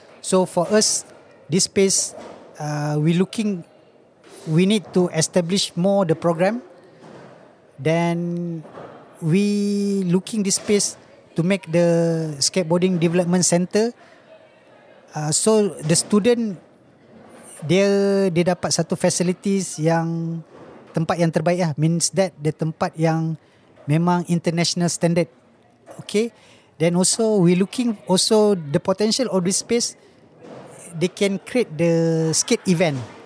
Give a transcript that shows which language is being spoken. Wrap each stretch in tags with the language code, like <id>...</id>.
<en>So for us, this space, we need to establish more the program. Then we looking this space to make the skateboarding development center. So the student,</en> <id>dia dapat satu facilities yang tempat yang terbaik lah.</id> <en>Means that the</en> <id>tempat yang memang</id> <en>international standard. Okay. Then also we looking also the potential of this space, they can create the skate event.</en>